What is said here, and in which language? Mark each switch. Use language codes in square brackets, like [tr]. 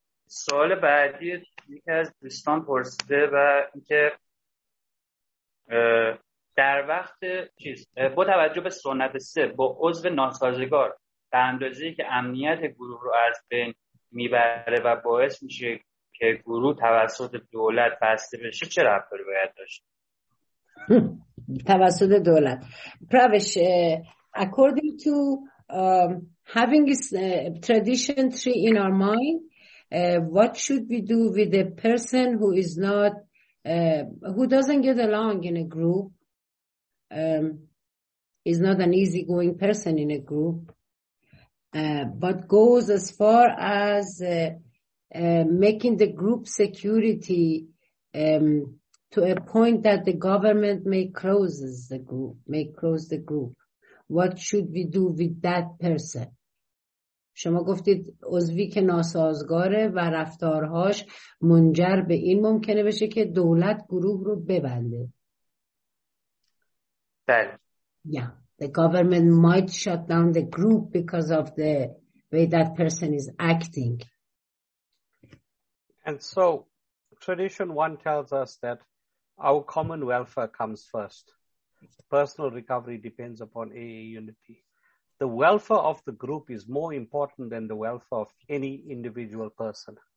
[fa] سوال بعدی یکی از دوستان پرسیده و اینکه در وقت چیز با توجه به سنت 3 با عضو ناسازگار به اندازه‌ای که امنیت گروه رو از بین میبره و باعث میشه که گروه توسط دولت بسته بشه، چه رفتاری باید داشت؟ توسط دولت. [en] پروش، according to having tradition 3 in our mind, what should we do with a person who is not who doesn't get along in a group, is not an easygoing person in a group, but goes as far as making the group security to a point that the government may close the group. What should we do with that person? [fa] شما گفتید عضوی که ناسازگاره و رفتارهاش منجر به این ممکنه بشه که دولت گروه رو ببنده. بله. [en] Yeah. The government might shut down the group because of the way that person is acting. And so tradition one tells us that our common welfare comes first. Personal recovery depends upon AA unity. The welfare of the group is more important than the welfare of any individual person.